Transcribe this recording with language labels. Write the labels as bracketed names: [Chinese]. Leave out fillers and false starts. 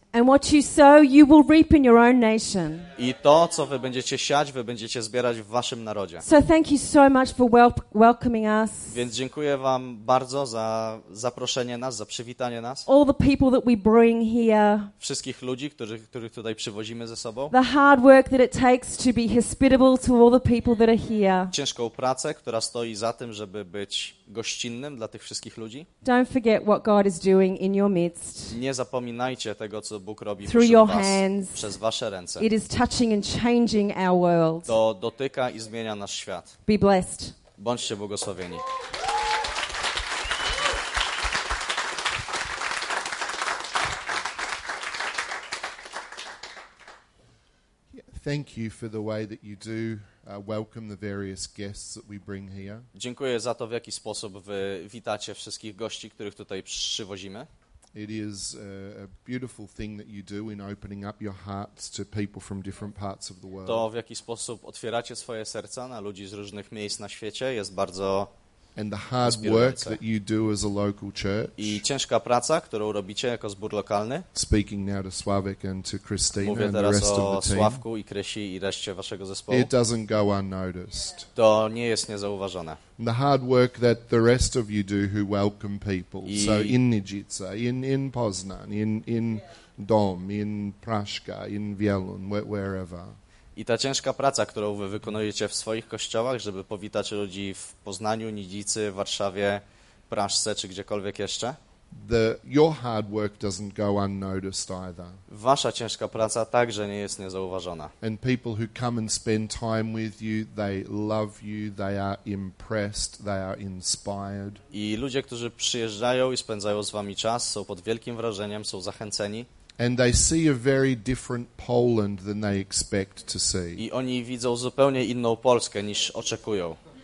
[English] And what you sow, you will reap in your own nation. [Polish] I to, co wy będziecie siać, wy będziecie zbierać w waszym narodzie. [English] So thank you so much for welcoming us. [Polish] Więc dziękuję wam bardzo za zaproszenie nas, za przywitanie nas. [English] All the people that we bring here. [Polish] Wszystkich ludzi, których tutaj przywozimy ze sobą. [English] The hard work that it takes to be hospitable to all the people that are here. [Polish] Ciężką pracę, która stoi za tym, żeby być gościnnym dla tych wszystkich ludzi. [English] Don't forget what God is doing in your midst. [Polish] Nie zapominajcie tego, co Bóg robi [English] through your [Polish] was, [English] hands, [Polish] przez wasze ręce. [English] It is touching and changing our world. [Polish] Dotyka i zmienia nasz świat. [English] Be blessed. [Polish] Bądźcie błogosławieni. [English] Thank you for the way that you do welcome the various guests that we bring here. [Polish] Dziękuję za to, w jaki sposób wy witacie wszystkich gości, których tutaj przywozimy. [English] It is a beautiful thing that you do in opening up your hearts to people from different parts of the world. [Polish] To, w jaki sposób otwieracie swoje serca na ludzi z różnych miejsc na świecie, jest bardzo inspirujące. [English] And the hard work that you do as a local church. [Polish] I ciężka praca, którą robicie jako zbór lokalny. [English] Speaking now to Sławek and to Christina and the rest of the team. [Polish] Mówię teraz o Sławku i Krysi i reszcie waszego zespołu. [English] It doesn't go unnoticed. [Polish] To nie jest niezauważone. [English] The hard work that the rest of you do who welcome people. So in Nidzica, in Poznań, in Dom, in Praszka, in Wielun, wherever. [Polish] I ta ciężka praca, którą wy wykonujecie w swoich kościołach, żeby powitać ludzi w Poznaniu, Nidzicy, Warszawie, Praszce czy gdziekolwiek jeszcze. [English] Your hard work doesn't go unnoticed either. [Polish] Wasza ciężka praca także nie jest niezauważona. [English] And people who come and spend time with you, they love you, they are impressed, they are inspired. [Polish] I ludzie, którzy przyjeżdżają i spędzają z wami czas, są pod wielkim wrażeniem, są zachęceni. [English] And they see a very different Poland than they expect to see. [Polish] I oni widzą zupełnie inną Polskę niż oczekują.